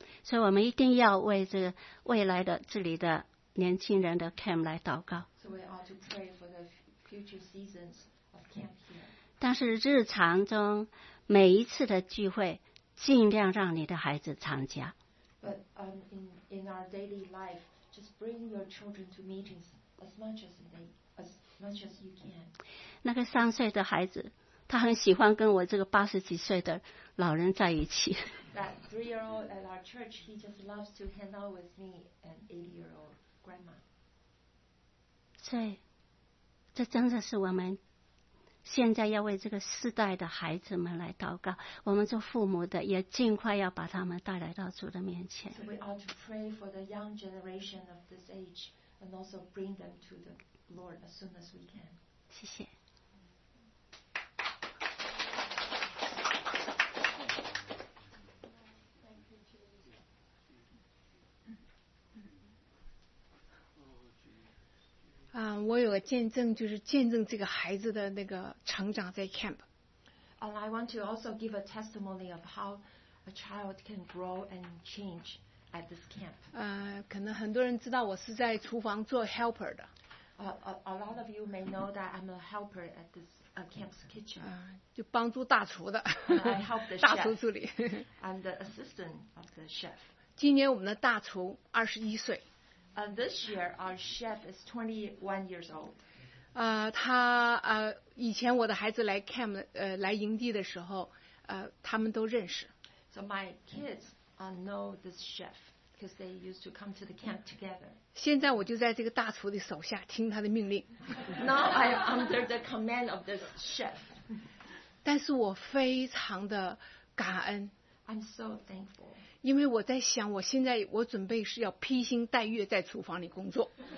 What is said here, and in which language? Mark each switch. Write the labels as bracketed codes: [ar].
[zh] 所以我们一定要为这个未来的这里的年轻人的 camp 来祷告。 [en] So we ought to pray for the future seasons of camp here. [zh] 但是日常中每一次的聚会，尽量让你的孩子参加。 [en] But in our daily life, just bring your children to meetings as much as you can. [zh] 那个三岁的孩子，他很喜欢跟我这个八十几岁的老人在一起。 [en] That three-year-old at our church, he just loves to hang out with me and eighty-year-old grandma. [zh] 所以，这真的是我们现在要为这个世代的孩子们来祷告。我们做父母的也尽快要把他们带来到主的面前。 [en] So we ought to pray for the young generation of this age and also bring them to the Lord as soon as we can. [zh] 谢谢。我有个见证，就是见证这个孩子的那个成长在 camp。 [en] And I want to also give a testimony of how a child can grow and change at this camp. [zh] 可能很多人知道我是在厨房做 helper 的。 [en] A lot of you may know that I'm a helper at this camp's kitchen. [zh] 就帮助大厨的。 [en] I help the chef. [zh] 大厨助理。 [en] I'm the assistant of the chef. [zh] 今年我们的大厨21岁。 [en] And this year, our chef is 21 years old. [zh] 他以前我的孩子来 camp, 来营地的时候，他们都认识。 [en] So my kids know this chef because they used to come to the camp together. [zh] 现在我就在这个大厨的手下听他的命令。 [en] Now I am under the command of this chef. [zh] 但是我非常的感恩。 [en] I'm so thankful. [zh] 因为我在想，我现在我准备是要披星戴月在厨房里工作。